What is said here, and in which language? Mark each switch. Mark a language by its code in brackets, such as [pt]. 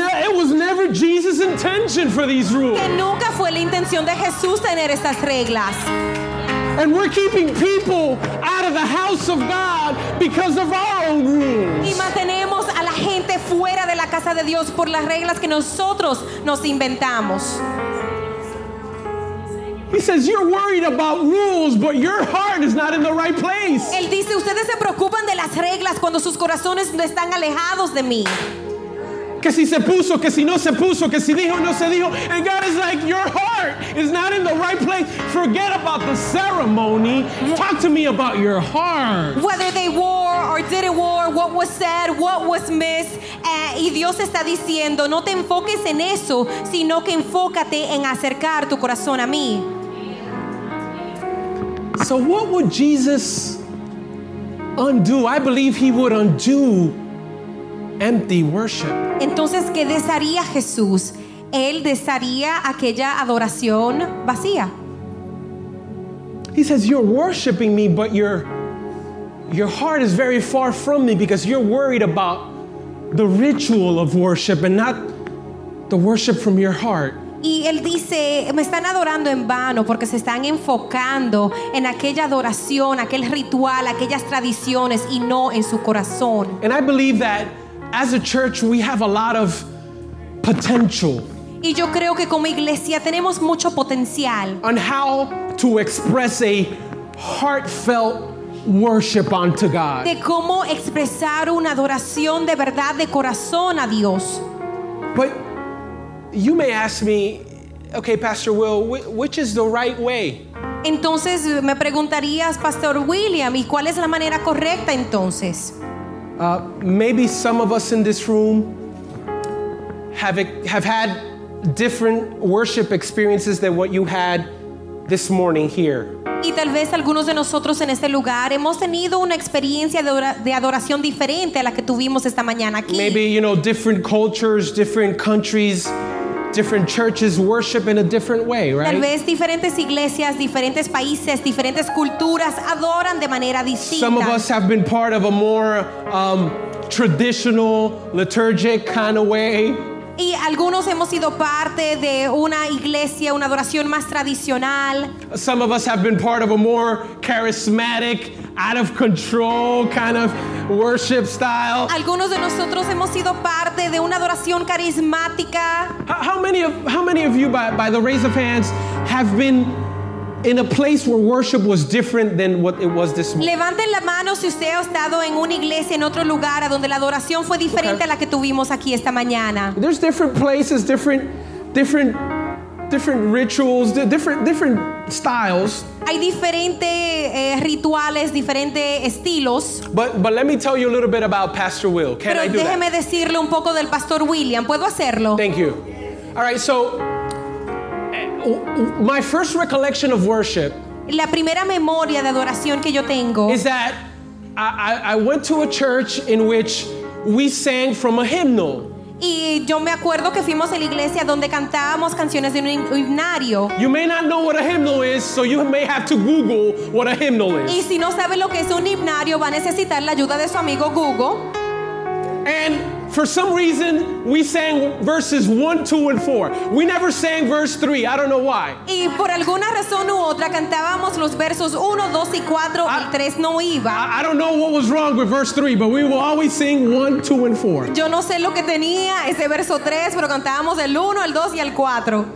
[en] It was never Jesus' intention for these rules. [es] Que nunca fue la intención de Jesús tener estas reglas. [en] And we're keeping people out of the house of God because of our own rules. [es] Y mantenemos a la gente fuera de la casa de Dios por las reglas que nosotros nos inventamos. [en] He says, "You're worried about rules, but your heart is not in the right place." [es] Él dice, "Ustedes se preocupan de las reglas cuando sus corazones no están alejados de mí." Que si se puso, que si no se puso, que si dijo, no se dijo. [en] And God is like, "Your heart is not in the right place. Forget about the ceremony. Talk to me about your heart." Whether they wore or didn't wore, what was said, what was missed. [es] Y Dios está diciendo, no te enfoques en eso, sino que enfócate en acercar tu corazón a mí. [en] So what would Jesus undo? I believe he would undo empty worship. [es] Entonces, ¿qué desharía Jesús? Él desharía aquella adoración vacía. [en] He says, you're worshiping me, but your heart is very far from me because you're worried about the ritual of worship and not the worship from your heart. [es] Y él dice, me están adorando en vano porque se están enfocando en aquella adoración, aquel ritual, aquellas tradiciones y no en su corazón. [en] And I believe that as a church we have a lot of potential. [es] Y yo creo que como iglesia tenemos mucho potencial. [en] On how to express a heartfelt worship unto God. [es] De cómo expresar una adoración de verdad de corazón a Dios. [en] But you may ask me, okay, Pastor Will, which is the right way? [es] Entonces me preguntarías, Pastor William, ¿y cuál es la manera correcta entonces? [en] Maybe some of us in this room have had different worship experiences than what you had this morning here. [es] Y tal vez algunos de nosotros en este lugar hemos tenido una experiencia de adoración diferente a la que tuvimos esta mañana aquí. [en] Maybe, you know, different cultures, different countries, different churches worship in a different way, right? [es] Tal vez diferentes iglesias, diferentes países, diferentes culturas adoran de manera distinta. [en] Some of us have been part of a more traditional, liturgic kind of way. [es] Y algunos hemos sido parte de una iglesia, una adoración más tradicional. [en] Some of us have been part of a more charismatic, out of control kind of worship style. [es] Algunos de nosotros hemos sido parte de una adoración carismática. [en] How many of you by the raise of hands have been in a place where worship was different than what it was this morning? [es] Levanten la mano si usted ha estado en una iglesia en otro lugar a donde la adoración fue diferente a la que tuvimos aquí esta mañana. [en] There's different places, different rituals, different styles. [es] Hay diferentes rituales, diferentes estilos. [en] But let me tell you a little bit about Pastor Will. Can [es] Pero [en] I do [es] déjeme [en] that? [es] Decirle un poco del Pastor William. ¿Puedo hacerlo? [en] Thank you. All right, so my first recollection of worship, [es] la primera memoria de adoración que yo tengo, [en] is that I went to a church in which we sang from a hymnal. [es] Y yo me acuerdo que fuimos a la iglesia donde cantábamos canciones de un himnario. [en] You may not know what a hymnal is, so you may have to Google what a hymnal is. [es] Y si no sabe lo que es un himnario, va a necesitar la ayuda de su amigo Google. [en] And for some reason, we sang verses 1, 2, and 4. We never sang verse 3. I don't know why. [es] Y por alguna razón u otra, cantábamos los versos 1, 2, y 4, y 3 no iba. [en] I don't know what was wrong with verse 3, but we will always sing 1, 2, and 4. [es] Yo no sé lo que tenía ese verso 3, pero cantábamos el 1, el 2, y el 4.